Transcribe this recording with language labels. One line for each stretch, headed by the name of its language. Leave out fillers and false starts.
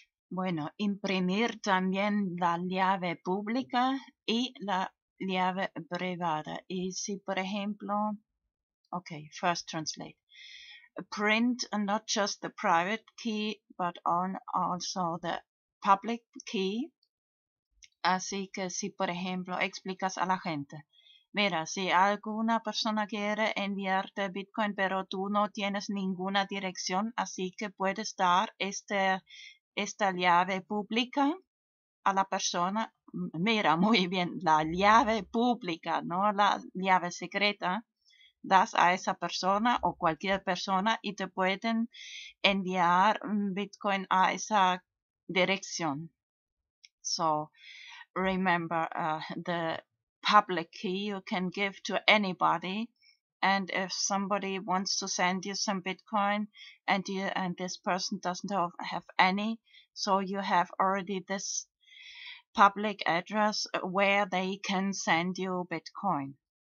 Spanish: Bueno, imprimir también la llave pública y la llave privada. Y si, por ejemplo,
English: Okay, first translate. Print not just the private key, but on also the public key.
Spanish: Así que si, por ejemplo, explicas a la gente. Mira, si alguna persona quiere enviarte Bitcoin, pero tú no tienes ninguna dirección, así que puedes dar esta llave pública a la persona. Mira, muy bien, la llave pública, no la llave secreta. Das a esa persona o cualquier persona y te pueden enviar Bitcoin a esa dirección.
English: So, remember, the public key you can give to anybody. And if somebody wants to send you some Bitcoin and this person doesn't have any, so you have already this public address where they can send you Bitcoin.